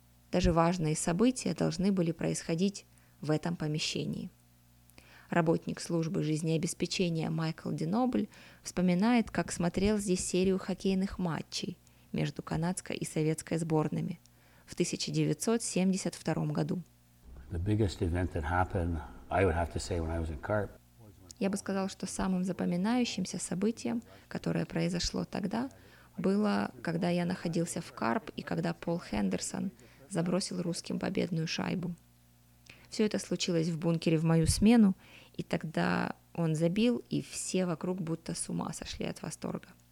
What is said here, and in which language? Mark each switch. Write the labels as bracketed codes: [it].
[ru] Даже важные события должны были происходить в этом помещении. Работник службы жизнеобеспечения Майкл Динобль вспоминает, как смотрел здесь серию хоккейных матчей между канадской и советской сборными в 1972 году. [en] The biggest event that happened, I would have to say, when I was in CARP. [ru] Я бы сказал, что самым запоминающимся событием, которое произошло тогда, было, когда я находился в КАРП и когда Пол Хендерсон забросил русским победную шайбу. Все это случилось в бункере в мою смену, и тогда он забил, и все вокруг будто с ума сошли от восторга.